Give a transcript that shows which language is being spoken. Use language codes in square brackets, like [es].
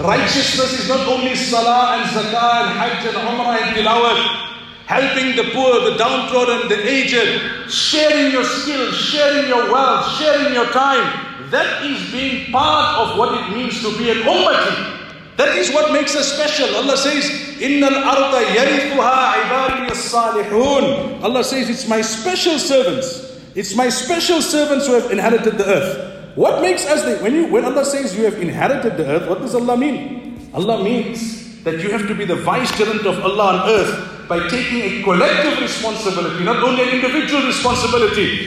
[en] Righteousness is not only salah and zakah and hajj and umrah and tilawat. Helping the poor, the downtrodden, the aged, sharing your skills, sharing your wealth, sharing your time. That is being part of what it means to be an ummati. That is what makes us special. Allah says, [ar] إِنَّ الْأَرْضَ يَرِثُهَا عِبَادِيَ الصَّالِحُونَ. [en] Allah says, it's my special servants. It's my special servants who have inherited the earth. What makes us, when Allah says you have inherited the earth, what does Allah mean? Allah means that you have to be the vicegerent of Allah on earth by taking a collective responsibility, not only an individual responsibility.